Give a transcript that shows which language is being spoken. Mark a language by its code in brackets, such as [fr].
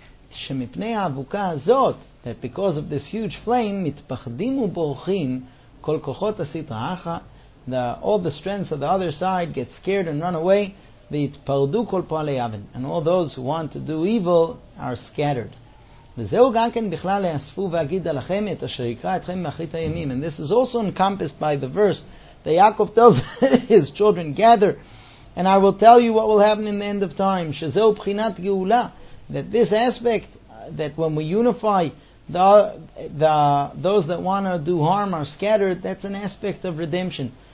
[he] שמפני האבוקה הזאת, [en] that because of this huge flame, [he] מתפחדים ובורחים כל כוחות הסטרא אחרא, [en] all the strengths of the other side get scared and run away, [he] והתפרדו כל פועלי אבן. [en] And all those who want to do evil are scattered. [he] וזהו גם כן בכלל להאספו ואגיד עליכם את אשר יקרא אתכם מאחרית הימים. [en] And this is also encompassed by the verse that Yaakov tells his children, gather, and I will tell you what will happen in the end of time. [he] Shezeu b'chinat geula, [en] that this aspect, that when we unify, those that want to do harm are scattered, that's an aspect of redemption.